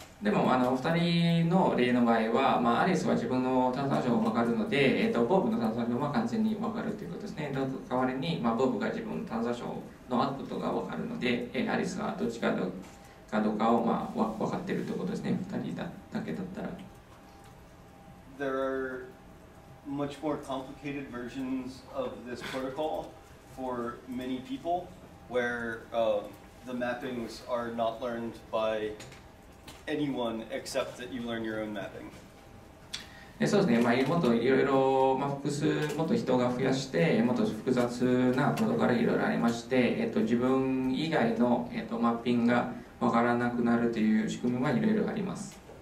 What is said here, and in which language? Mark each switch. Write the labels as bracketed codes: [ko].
[ja] でも2人の例の場合は、まあ、アリスは自分のトランザクションを分かるので、ボブのトランザクションは完全に分かるということですね。代わりに、まあ、ボブが自分のトランザクションのアウトプットが分かるので、アリスはどっちかどうかを、まあ、分かっているということですね。 2人だけだったら。 [en] There are much more complicated versions of this protocol for many people where the mappings are not learned byanyone except that you learn your own mapping. [ja] そうですね。まあ、もっといろいろ、まあ、複数、もっと人が増やして、もっと複雑なプロトコルがいろいろありまして、自分以外の、マッピングがわからなくなるという仕組みはいろいろあります。